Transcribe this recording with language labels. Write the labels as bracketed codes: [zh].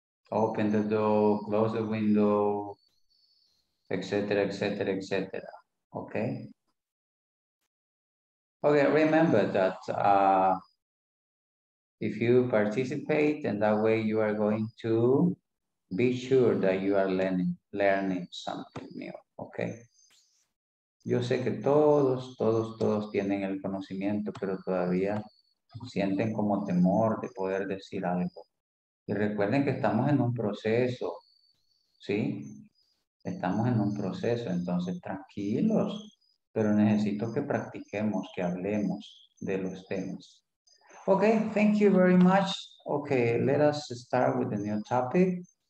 [en] open the door, close the window, etc., etc., etc. Okay. Okay, remember that if you participate, and that way you are going to be sure that you are learning something new, okay? [es] Yo sé que todos tienen el conocimiento, pero todavía sienten como temor de poder decir algo. Y recuerden que estamos en un proceso, ¿sí? Estamos en un proceso, entonces tranquilos. Pero necesito que practiquemos, que hablemos de los temas. [en] Okay, thank you very much. Okay, let us start with the new topic.